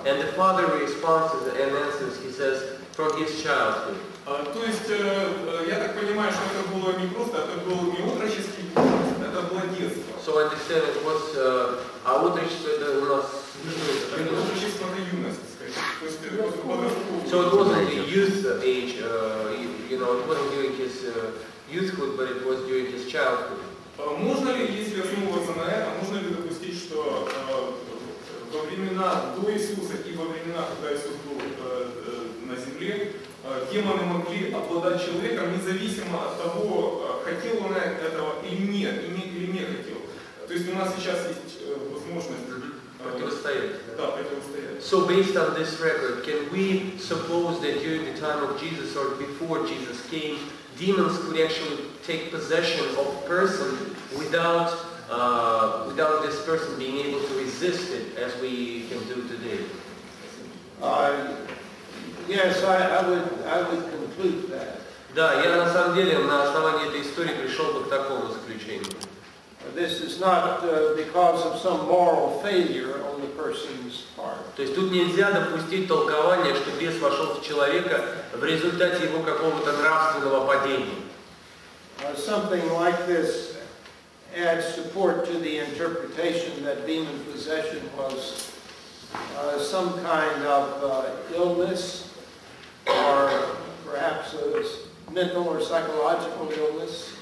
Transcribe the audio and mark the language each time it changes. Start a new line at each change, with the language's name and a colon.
English: And the father responds and answers, he says, from his childhood.
Russian: То есть, я так понимаю, что это было не просто, это было не отроческий возраст, это было детство.
English: So I understand it was,
Russian: а отрочество это у нас... Отрочество это юность, скажем.
English: So it wasn't a youth age, you know, it wasn't during his youthhood, but it was during his childhood.
Russian: Можно ли, если основываться на этом, можно ли допустить, что во времена до Иисуса и во времена, когда Иисус был на земле, демоны могли обладать человеком, независимо от того, хотел он этого или не хотел. То есть у нас сейчас есть возможность противостоять. Да, противостоять.
English: So based on this record, can we suppose that during the time of Jesus or before Jesus came, demons could actually take possession of a person without without this person being able to resist it, as we can do today? Yes, I would conclude that.
Russian: Да, я на самом деле на основании этой истории пришел бы к такому заключению.
English: This is not because of some moral failure on the person's part.
Russian: То есть тут нельзя допустить толкование, что бес вошел в человека в результате его какого-то нравственного падения.
English: Something like this adds support to the interpretation that demon possession was some kind of illness, or perhaps a mental or psychological illness.